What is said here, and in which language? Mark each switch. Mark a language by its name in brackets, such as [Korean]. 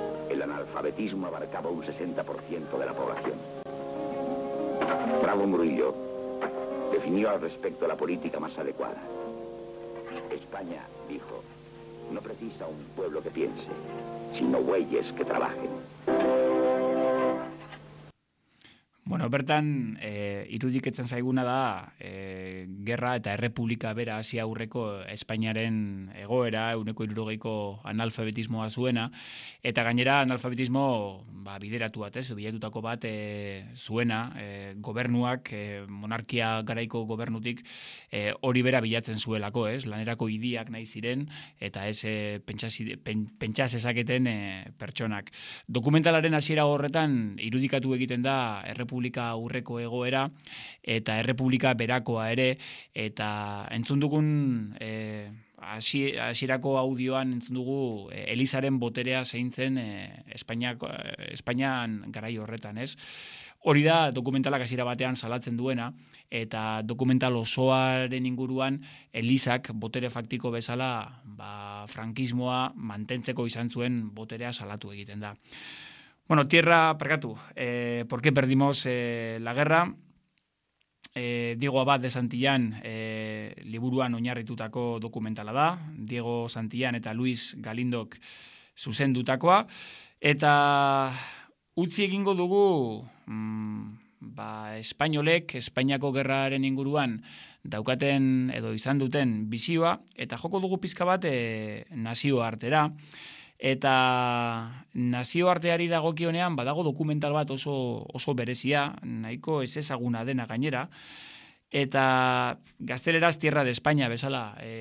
[Spanish] El analfabetismo abarcaba un 60% de la población. Bravo Murillo definió al respecto la política más adecuada. España, dijo, no precisa un pueblo que piense, sino bueyes que trabajen. [Basque] Bueno, bertan, irudiketzen zaiguna da, gerra eta errepublika bera hasi aurreko Espainiaren egoera, 160ko analfabetismoa zuena, eta gainera analfabetismo ba, bideratu bat, bilatutako bat zuena, gobernuak, monarkia garaiko gobernutik hori bera bilatzen zuelako, lanerako idiak nahi ziren, eta ez pentsaz ezaketen pertsonak. Dokumentalaren hasiera horretan, irudikatu egiten da errepublika, aurreko egoera eta errepublika berakoa ere eta entzun dugun hasierako audioan entzun dugu Elizaren boterea zein zen Espainian garai horretan, ez? Hori da dokumentalak hasiera batean salatzen duena eta dokumental osoaren inguruan Elizak botere faktiko bezala ba, frankismoa mantentzeko izan zuen boterea salatu egiten da. [Spanish] Bueno, tierra, percatu, ¿por qué perdimos la guerra? [Basque] Diego Abad de Santillán, liburuan oinarritutako dokumentala da, Diego Santillán eta Luis Galindok zuzendutakoa, eta utzi egingo dugu ba, espainolek, Espainiako gerraren inguruan, daukaten edo izan duten bizioa, eta joko dugu pizka bat nazioartera, eta nazioarteari dagokionean badago dokumental bat oso berezia, nahiko ez ezaguna dena gainera, eta gazteleraz Tierra de España bezala